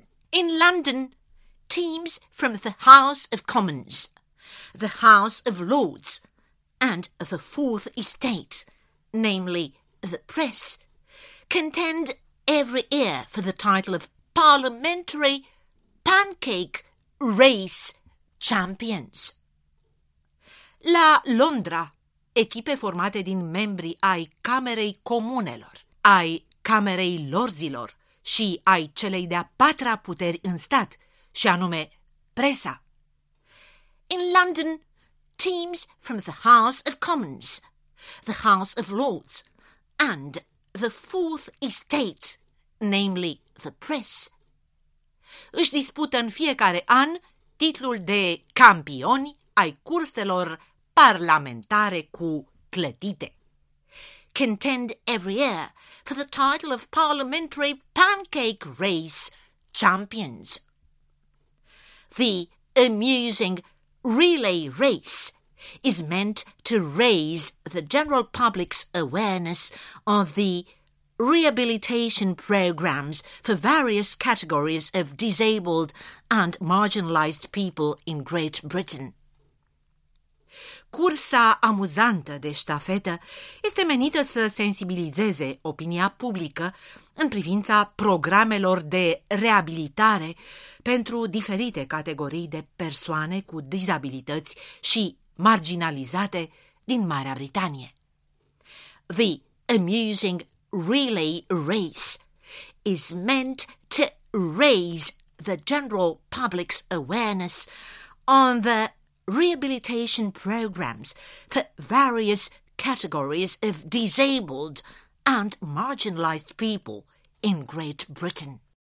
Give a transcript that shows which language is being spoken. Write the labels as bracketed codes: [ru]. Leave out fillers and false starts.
[en] In London, teams from the House of Commons, the House of Lords, and the Fourth Estate, namely the press, contend every year for the title of Parliamentary Pancake Race Champions. [ro] La Londra, echipe formate din membri ai Camerei Comunelor, ai Camerei Lordzilor și ai celei de-a patra puteri în stat, și anume presa. [en] In London, teams from the House of Commons, the House of Lords, and the Fourth Estate, namely the press, [ro] își dispută în fiecare an titlul de campioni ai curselor parlamentare cu clătite. [en] Contend every year for the title of Parliamentary Pancake Race Champions. The amusing relay race is meant to raise the general public's awareness of the rehabilitation programs for various categories of disabled and marginalized people in Great Britain. [ro] Cursa amuzantă de ștafetă este menită să sensibilizeze opinia publică în privința programelor de reabilitare pentru diferite categorii de persoane cu dizabilități și marginalizate din Marea Britanie. [en] The amusing relay race is meant to raise the general public's awareness on the rehabilitation programs for various categories of disabled and marginalized people in Great Britain.